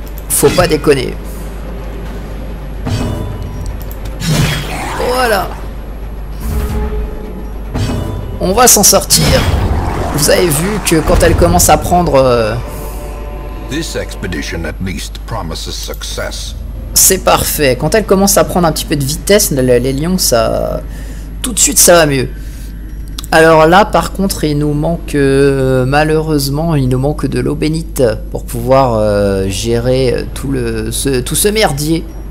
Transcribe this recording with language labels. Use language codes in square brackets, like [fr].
[fr] Faut pas déconner. Voilà. On va s'en sortir. Vous avez vu que quand elle commence à prendre... [en] This expedition at least promises success. [fr] C'est parfait. Quand elle commence à prendre un petit peu de vitesse, les lions, ça... Tout de suite, ça va mieux. Alors là, par contre, il nous manque... malheureusement, il nous manque de l'eau bénite pour pouvoir gérer tout ce merdier.